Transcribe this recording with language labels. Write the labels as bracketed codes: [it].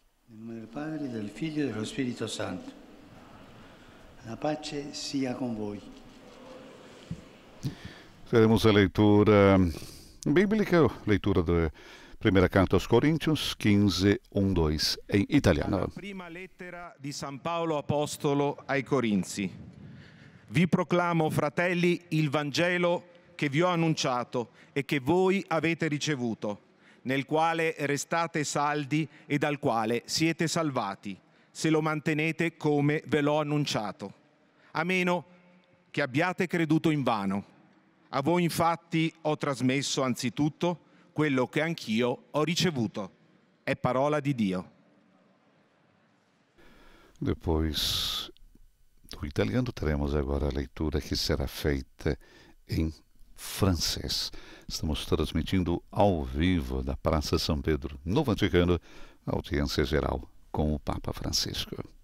[pt] Em nome do Padre, do Filho e do Espírito Santo, a paz seja com voi. Teremos a leitura bíblica, leitura do Primeira carta aos Coríntios 15:1-2 em italiano. [it] Prima lettera di San Paolo apostolo ai Corinzi. Vi proclamo, fratelli, il Vangelo che vi ho annunciato e che voi avete ricevuto, nel quale restate saldi e dal quale siete salvati, se lo mantenete come ve l'ho annunciato. A meno che abbiate creduto in vano. A voi infatti ho trasmesso anzitutto quello che anch'io ho ricevuto. È parola di Dio. [pt] Depois do italiano teremos agora a leitura [it] che sarà [pt] feita in francês. Estamos transmitindo ao vivo da Praça São Pedro, no Vaticano, a audiência geral com o Papa Francisco.